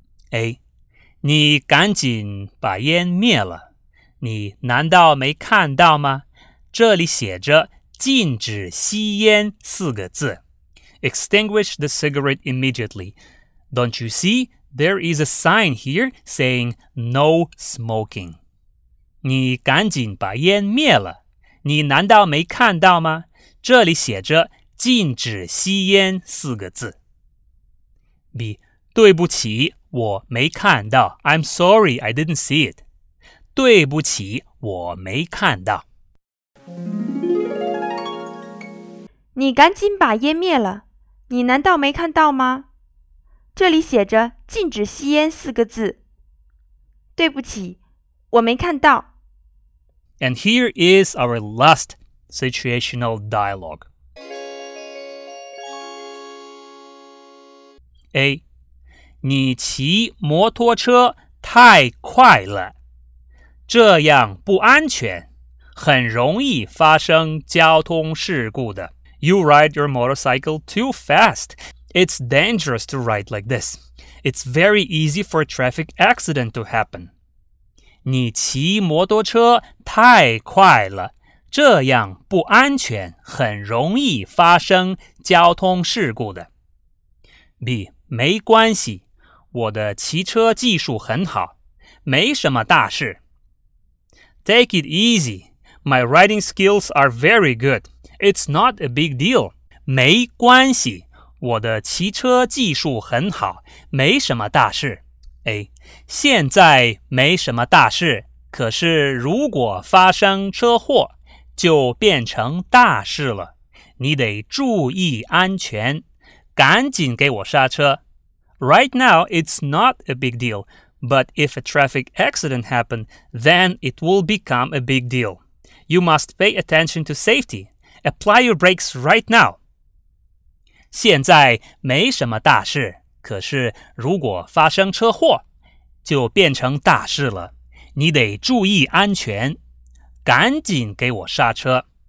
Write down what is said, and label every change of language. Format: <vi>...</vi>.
<zh>A， 你赶紧把烟灭了，你难道没看到吗？这里写着禁止吸烟四个字。</zh> <en>Extinguish the cigarette immediately. Don't you see? There is a sign here saying no smoking.</en> <zh>你赶紧把烟灭了。你难道没看到吗？这里写着禁止吸烟四个字。 B， 对不起，我没看到。</zh> <en>I'm sorry, I didn't see it.</en> <zh>对不起，我没看到。你赶紧把烟灭了。你难道没看到吗？这里写着禁止吸烟四个字。对不起，我没看到。</zh> <en>And here is our last situational dialogue.</en> <zh>A， 你骑摩托车太快了，这样不安全，很容易发生交通事故的。</zh> <en>You ride your motorcycle too fast. It's dangerous to ride like this. It's very easy for a traffic accident to happen.</en> <zh>你骑摩托车太快了，这样不安全，很容易发生交通事故的。 B， 没关系，我的骑车技术很好，没什么大事。</zh> <en>Take it easy. My riding skills are very good. It's not a big deal.</en> <zh>没关系，我的骑车技术很好，没什么大事。 A， 现在没什么大事，可是如果发生车祸，就变成大事了。你得注意安全，赶紧给我刹车。</zh> <en>Right now, it's not a big deal. But if a traffic accident happened, then it will become a big deal. You must pay attention to safety. Apply your brakes right now.</en> <zh>现在没什么大事，可是如果发生车祸，就变成大事了。你得注意安全，赶紧给我刹车。</zh>